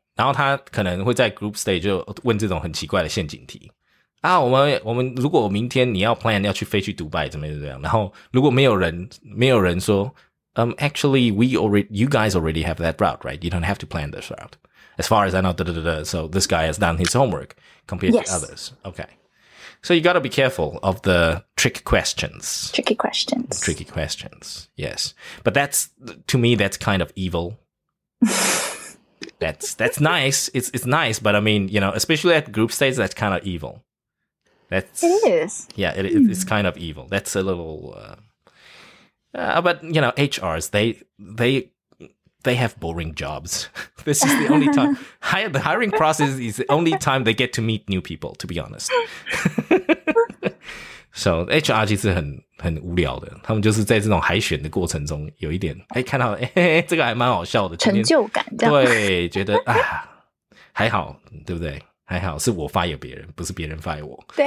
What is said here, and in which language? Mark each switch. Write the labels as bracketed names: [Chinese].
[Chinese] 然后他可能会在 group stage 就问这种很奇怪的陷阱题。啊，我们如果明天你要 plan 要去飞去迪拜，怎么样？然后如果没有人说。 [English] Actually, you guys already have that route, right? You don't have to plan this route. As far as I know, so this guy has done his homework compared、 yes. to others. Okay. So you got to be careful of the trick questions. Tricky questions. Tricky questions, yes. But that's, to me, that's kind of evil. that's nice. It's nice, but I mean, you know, especially at group stage, that's kind of evil. That's, it is. Yeah, it's kind of evil. That's a little... but, you know, HRs, they have boring jobs. This is the only time. The hiring process is the only time they get to meet new people, to be honest. [Chinese] So HR 其实很无聊的。他们就是在这种海选的过程中有一点、欸、看到、欸、这个还蛮好笑的。成就感这样。对，觉得啊，还好，对不对？还好是我 fire 别人，不是别人 fire 我。